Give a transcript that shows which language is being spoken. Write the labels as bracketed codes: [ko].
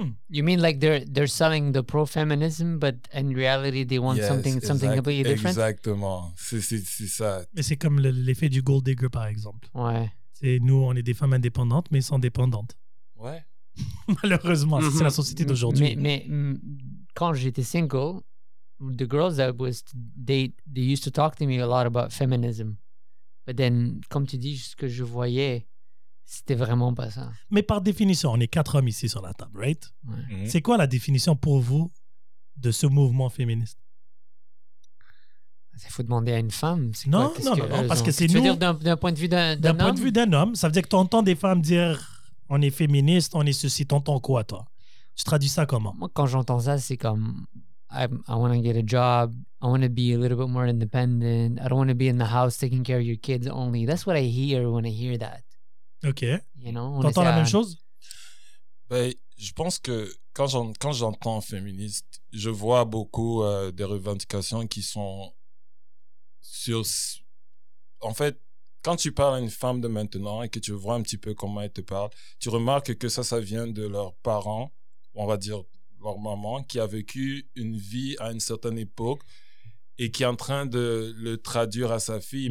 [en] You mean like they're selling the pro-feminism, but in reality they want something completely different? [fr] Exactement. C'est ça. Mais c'est comme l'effet du gold digger, par exemple. Ouais. C'est, nous, on est des femmes indépendantes, mais sans dépendantes. Ouais. Malheureusement, mm-hmm. C'est la société d'aujourd'hui. Mais quand j'étais [en] single, the girls that was they used to talk to me a lot about feminism. But then, [fr] comme tu dis, ce que je voyais, c'était vraiment pas ça. Mais par définition, on est quatre hommes ici sur la table, [en] right? [fr] Ouais. Mm-hmm. C'est quoi la définition pour vous de ce mouvement féministe? Il faut demander à une femme. C'est non, quoi? Non, parce que c'est tu nous... Tu veux dire d'un point de vue d'un homme? D'un point de vue d'un homme, ça veut dire que tu entends des femmes dire... On est féministe, on est ceci. T'entends quoi, toi? Tu traduis ça comment? Moi, quand j'entends ça, c'est comme [en] I want to get a job. I want to be a little bit more independent. I don't want to be in the house taking care of your kids only. That's what I hear when I hear that. Ok. You know, [fr] t'entends la même chose? Ben, je pense que quand j'entends féministe, je vois beaucoup des revendications qui sont sur. En fait. Quand tu parles à une femme de maintenant et que tu vois un petit peu comment elle te parle, tu remarques que ça vient de leurs parents, on va dire leur maman, qui a vécu une vie à une certaine époque et qui est en train de le traduire à sa fille.